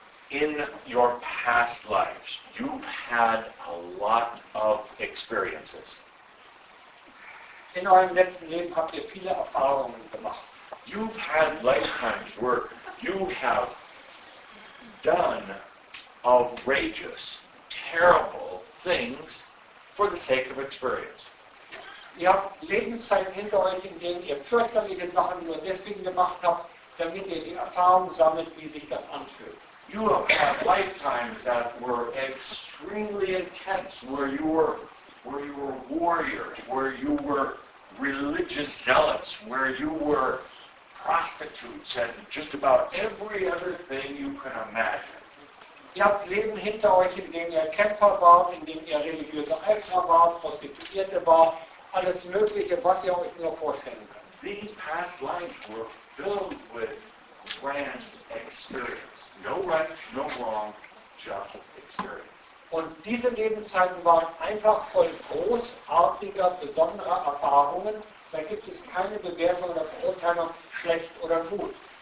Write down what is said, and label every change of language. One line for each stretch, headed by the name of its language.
English: In your past lives, you've had a lot of experiences.
German: In eurem letzten Leben habt ihr viele Erfahrungen gemacht.
English: You've had lifetimes where you have done outrageous, terrible things for the sake of experience.
German: Ihr habt Lebenszeiten hinter euch, in denen ihr fürchterliche Sachen nur deswegen gemacht habt, damit ihr die Erfahrung sammelt, wie sich das anfühlt.
English: You have had lifetimes that were extremely intense, where you were warriors, where you were religious zealots, where you were prostitutes and just about every other thing you can imagine.
German: Ihr habt Leben hinter euch, in dem ihr Kämpfer wart, in dem ihr religiöse Eifer wart, Prostituierte wart, alles Mögliche, was ihr euch nur vorstellen könnt.
English: These past lives were filled with grand experience. No right, no wrong, just experience.
German: Und diese Lebenszeiten waren einfach voll großartiger, besonderer Erfahrungen. Da gibt es keine Bewertung oder Beurteilung, schlecht oder gut.